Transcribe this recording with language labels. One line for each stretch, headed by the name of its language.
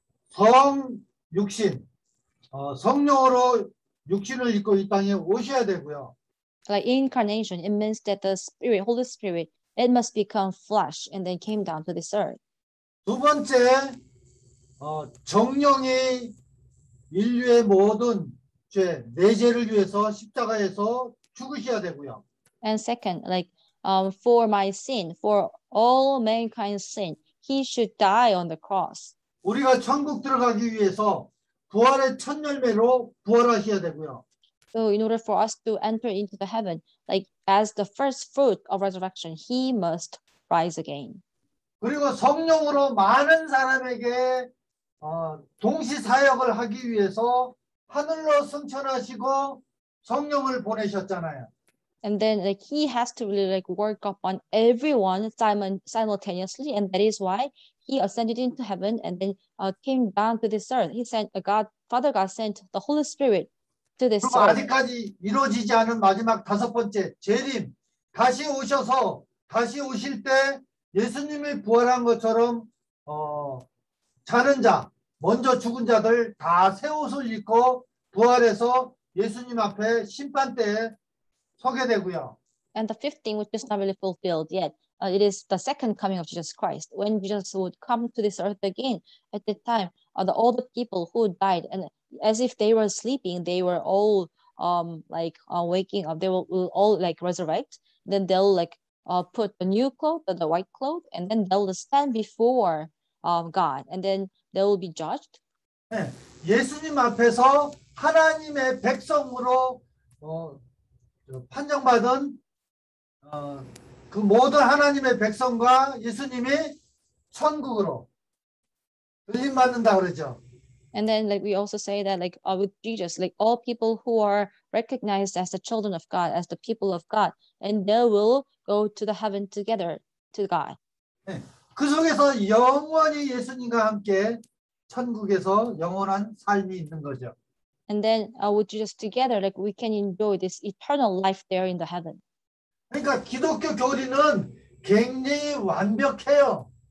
Korean: 성 육신, 성령으로 육신을 입고 이 땅에 오셔야 되고요.
English: Like incarnation, it means that the Spirit, Holy Spirit, it must become flesh and then came down to this earth.
Korean: 두 번째, 정령이 인류의 모든 죄, 내 죄를 위해서 십자가에서 죽으셔야 되고요.
English: And second, like for my sin, for all mankind's sin, he should die on the cross.
Korean: 우리가 천국 들어가기 위해서 부활의 첫 열매로 부활하셔야 되고요.
English: So in order for us to enter into the heaven, like as the first fruit of resurrection, he must rise again.
Korean: 그리고 성령으로 많은 사람에게 동시 사역을 하기 위해서 하늘로 승천하시고 성령을 보내셨잖아요.
English: And then like he has to really like work up on everyone simultaneously, and that is why he ascended into heaven and then came down to this earth. He sent God, Father God sent the Holy Spirit to this earth.
Korean: 아직까지 이루어지지 않은 마지막 다섯 번째 재림 다시 오셔서 다시 오실 때 예수님이 부활한 것처럼 자는 자 먼저 죽은 자들 다 새 옷을 입고 부활해서 예수님 앞에 심판대에
English: And the fifth thing, which is not really fulfilled yet, it is the second coming of Jesus Christ. When Jesus would come to this earth again, at that time, all the people who died, and as if they were sleeping, they were all waking up. They will all like resurrect. Then they'll like put the new cloth, the white cloth, and then they'll stand before God, and then they will be judged. 네.
Korean: 예수님 앞에서 하나님의 백성으로 판정받은 그 모든 하나님의 백성과 예수님이 천국으로 들림 받는다 그러죠.
English: And then like we also say that like with Jesus, like all people who are recognized as the children of God, as the people of God, and they will go to the heaven together to God.
Korean: 그 속에서 영원히 예수님과 함께 천국에서 영원한 삶이 있는 거죠.
English: And then with Jesus together, like we can enjoy this eternal life there in the heaven.
Korean: 그러니까 기독교 교리는 굉장히 완벽해요.